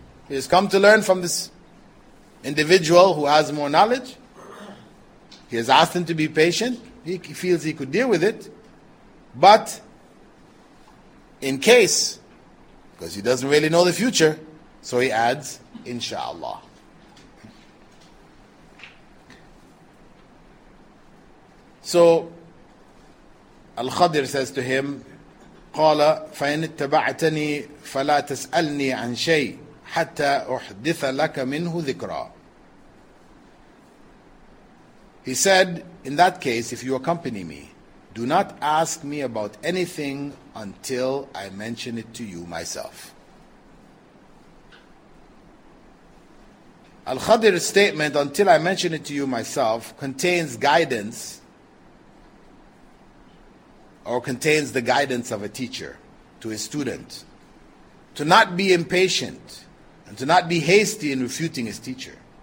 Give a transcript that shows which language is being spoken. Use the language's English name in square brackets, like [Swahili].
[English] He has come to learn from this individual who has more knowledge. He has asked him to be patient. He feels he could deal with it. But in case, because he doesn't really know the future, so he adds, inshallah. So, Al-Khadir says to him, [Arabic] قَالَ فَإِنِ اتَّبَعْتَنِي فَلَا تَسْأَلْنِي عَنْ شَيْءٍ حَتَّى أُحْدِثَ لَكَ مِنْهُ ذِكْرًا. [English] He said, in that case, if you accompany me, do not ask me about anything until I mention it to you myself. Al-Khadir's statement, until I mention it to you myself, contains guidance, or contains the guidance of a teacher to his student, to not be impatient and to not be hasty in refuting his teacher.